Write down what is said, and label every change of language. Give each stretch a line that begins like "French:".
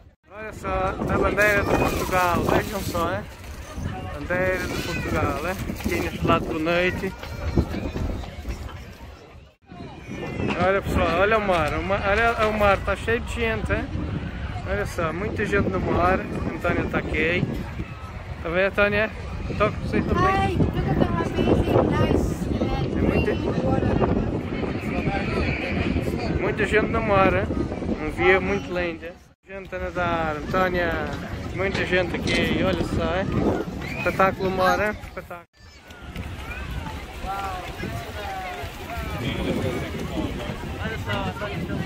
Portuguese: Olha só, a bandeira de Portugal, vejam só, bandeira de Portugal, aqui neste lado bonito. Olha pessoal, olha o mar, olha o mar, está cheio de gente, olha só, muita gente no mar, Antónia está aqui. Está bem, Antónia? Toca para você também.
English: Hi, look at the amazing, nice, green water.
Portuguese: Muita gente no mar, um dia muito lindo. Gente a nadar, Antónia. Muita gente aqui, olha só. Hein? Espetáculo mar, hein? Espetáculo. Olha só,
English: what are you